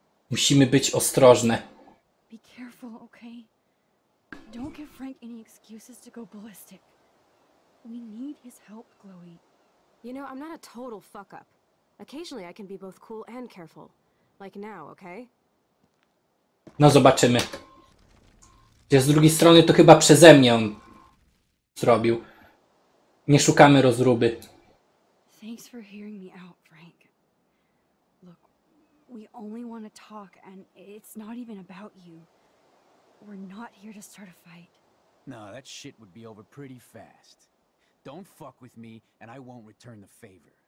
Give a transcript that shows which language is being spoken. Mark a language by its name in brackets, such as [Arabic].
[Polish] Musimy być ostrożne. [English] Be careful, okay? Don't give Frank any excuses to go ballistic. We need his help, Chloe. You know, I'm not a total fuck up. Occasionally I can be both cool and careful. Like now, okay? [Polish] No zobaczymy. Z drugiej strony to chyba przeze mnie on zrobił. Nie szukamy rozruby. [English] Thanks for hearing me out, Frank. Look, we only want to talk and it's not even about you. We're not here to start a fight. No, that shit would be over pretty fast. Don't fuck with me and I won't return the favor.